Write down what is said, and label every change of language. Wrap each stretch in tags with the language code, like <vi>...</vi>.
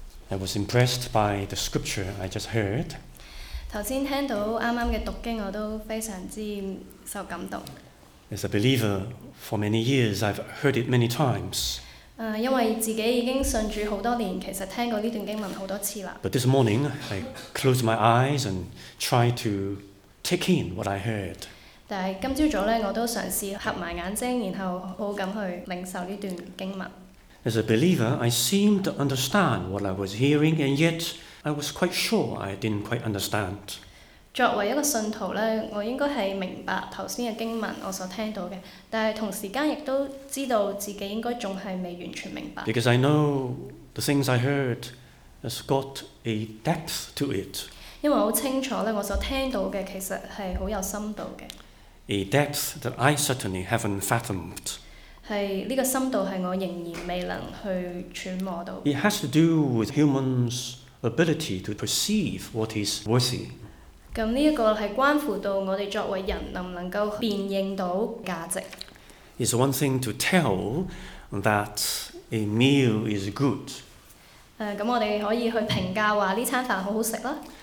<en>I was impressed by the scripture I just heard.</en> <yue>頭先聽到啱啱嘅讀經，我都非常之受感動。</yue> <en>As a believer for many years, I've heard it many times.</en> <yue>因為自己已經信主好多年，其實聽過呢段經文好多次啦。</yue> <en>But this morning, I closed my eyes and tried to take in what I heard.</en> <yue>但係今朝早咧，我都嘗試合埋眼睛，然後好咁去領受呢段經文。</yue> <en>As a believer, I seemed to understand what I was hearing, and yet I was quite sure I didn't quite understand.</en> <yue>作為一個信徒咧，我應該係明白頭先嘅經文我所聽到嘅，但係同時間亦都知道自己應該仲係未完全明白。</yue> <en>Because I know the things I heard has got a depth to it.</en> <yue>因為我好清楚咧，我所聽到嘅其實係好有深度嘅。</yue> <en>A depth that I certainly haven't fathomed.</en> <yue>係呢個深度係我仍然未能去揣摩到。</yue> <en>It has to do with humans' ability to perceive what is worthy.</en> <yue>咁呢一個係關乎到我哋作為人能唔能夠辨認到價值。</yue> <en>It's one thing to tell that a meal is good.</en> <yue>咁我哋可以去評價話呢餐飯好好食啦。</yue>